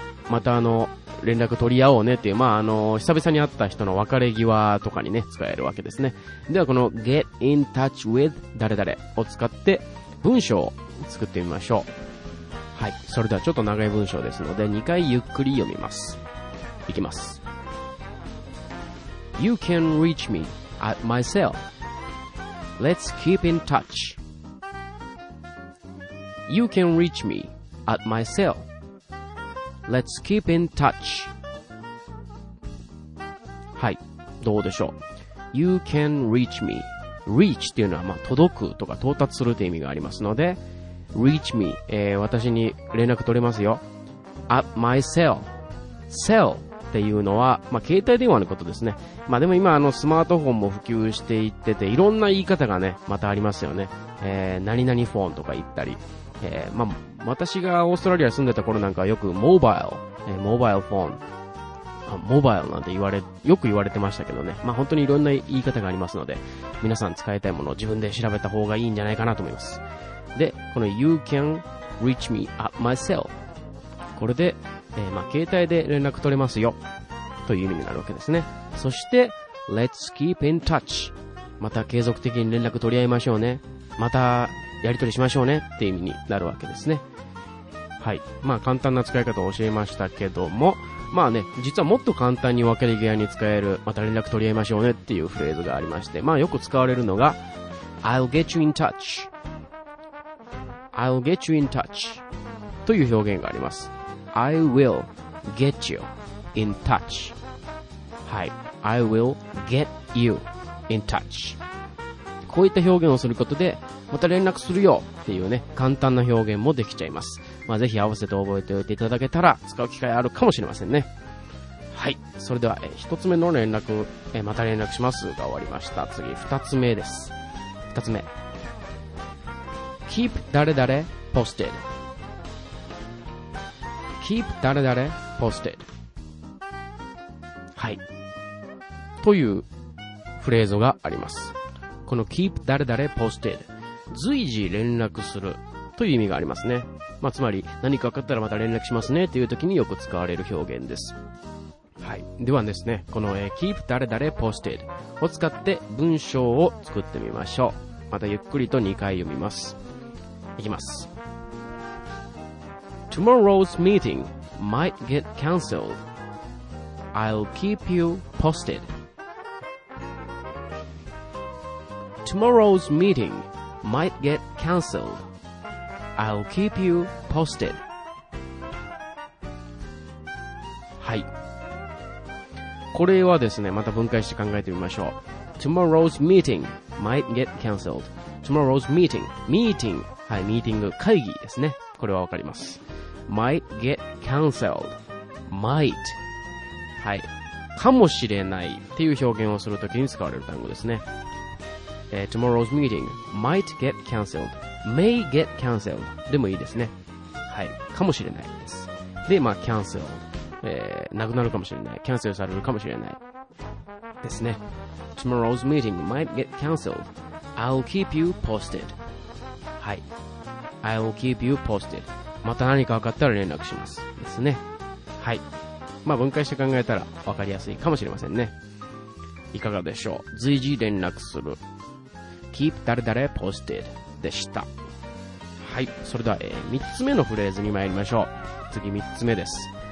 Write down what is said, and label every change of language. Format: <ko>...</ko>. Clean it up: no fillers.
<ja>また連絡取り合おうねっていう、まあ久々に会った人の別れ際とかにね、使えるわけですね。ではこの get in touch with 誰々を使って文章を作ってみましょう。はい、それではちょっと長い文章ですので2回ゆっくり読みます。いきます。</ja> <en>You can reach me at my cell. Let's keep in touch. You can reach me at my cellLet's keep in touch.</en> <ja>はい、どうでしょう。</ja> <en>You can reach me.</en> <ja>Reach っていうのは、まあ、届くとか到達するという意味がありますので、 Reach me、私に連絡取れますよ。</ja> <en>At my cell.</en> <ja>Cell っていうのは、まあ、携帯電話のことですね。まあ、でも今スマートフォンも普及していってて、いろんな言い方がねまたありますよね。何々フォンとか言ったり、私がオーストラリアに住んでた頃なんかよくモバイルフォン、モバイルなんて言われ、よく言われてましたけどね。まあ本当にいろんな言い方がありますので、皆さん使いたいものを自分で調べた方がいいんじゃないかなと思います。で、この</ja> <en>You can reach me at my cell。</en> <ja>これで、携帯で連絡取れますよ。という意味になるわけですね。そして、</ja> <en>Let's keep in touch。</en> <ja>また継続的に連絡取り合いましょうね。また、やり取りしましょうねっていう意味になるわけですね。はい、まあ簡単な使い方を教えましたけども、まあね、実はもっと簡単に分かり際に使える、また連絡取り合いましょうねっていうフレーズがありまして、まあよく使われるのが</ja> <en>I'll get you in touch。 I'll get you in touch</en> <ja>という表現があります。</ja> <en>I will get you in touch。はい、 I will get you in touch。</en> <ja>こういった表現をすることでまた連絡するよっていうね、簡単な表現もできちゃいます。まあぜひ合わせて覚えておいていただけたら、使う機会あるかもしれませんね。はい、それでは一つ目の連絡、また連絡しますが終わりました。次二つ目です。</ja> <en>二つ目、 Keep 誰々 posted。 Keep 誰々 posted。</en> <ja>はい、というフレーズがあります。この Keep 誰々 posted、随時連絡するという意味がありますね。まあ、つまり何かわかったらまた連絡しますねという時によく使われる表現です。はい、ではですね、この keep 誰々 posted を使って文章を作ってみましょう。またゆっくりと2回読みます。いきます。</ja> <en>Tomorrow's meeting might get cancelled. I'll keep you posted. Tomorrow's meetingmight get cancelled. I'll keep you posted.</en> <ja>はい、これはですね、また分解して考えてみましょう。</ja> <en>Tomorrow's meeting might get cancelled. Tomorrow's meeting、</en> <ja>meeting、 はい、ミーティング、会議ですね。これはわかります。</ja> <en>might get cancelled.</en> <ja>might、 はい、かもしれないっていう表現をするときに使われる単語ですね。</ja> <en>Tomorrow's meeting might get cancelled. May get cancelled.</en> <ja>でもいいですね。はい、かもしれないです。で、まあ cancelled、なくなるかもしれない、キャンセルされるかもしれないですね。</ja> <en>Tomorrow's meeting might get cancelled. I'll keep you posted. はい、 I'll keep you posted.</en> <ja>また何か分かったら連絡しますですね。はい、まあ分解して考えたら分かりやすいかもしれませんね。いかがでしょう、随時連絡する、 Keep 誰々 posted でした。はい、それでは、3つ目のフレーズに参りましょう。次3つ目です。</ja>